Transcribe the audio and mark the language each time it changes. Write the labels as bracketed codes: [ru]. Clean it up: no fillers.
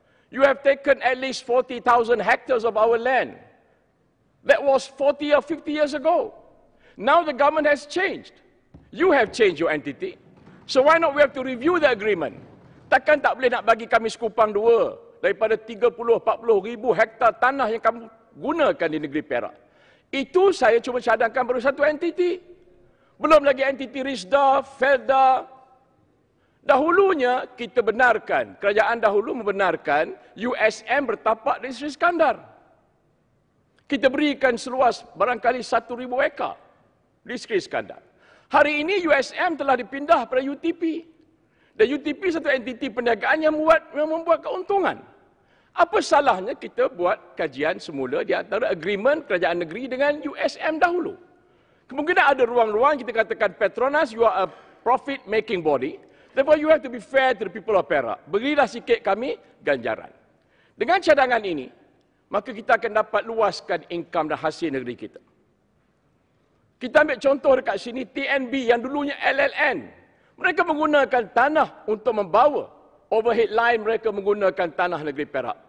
[en] You have taken at least 40,000 hectares of our land. That was 40 or 50 years ago. Now the government has changed. You have changed your entity. So why not we have to review the agreement? [ms] Takkan tak boleh nak bagi kami sekupang dua daripada 30-40 ribu hektar tanah yang kamu gunakan di negeri Perak. Itu saya cuma cadangkan baru satu entiti. Belum lagi entiti Rizda, Felda. Dahulunya kita benarkan, kerajaan dahulu membenarkan USM bertapak di Sri Iskandar. Kita berikan seluas barangkali 1,000 ekar di Sri Iskandar. Hari ini USM telah dipindah pada UTP. Dan UTP satu entiti perniagaan yang membuat keuntungan. Apa salahnya kita buat kajian semula di antara agreement kerajaan negeri dengan USM dahulu? Kemungkinan ada ruang-ruang kita katakan Petronas, [en] you are a profit making body. Therefore you have to be fair to the people of Perak. [ms] Berilah sikit kami ganjaran. Dengan cadangan ini, maka kita akan dapat luaskan income dan hasil negeri kita. Kita ambil contoh dekat sini, TNB yang dulunya LLN. Mereka menggunakan tanah untuk membawa overhead line, mereka menggunakan tanah negeri Perak.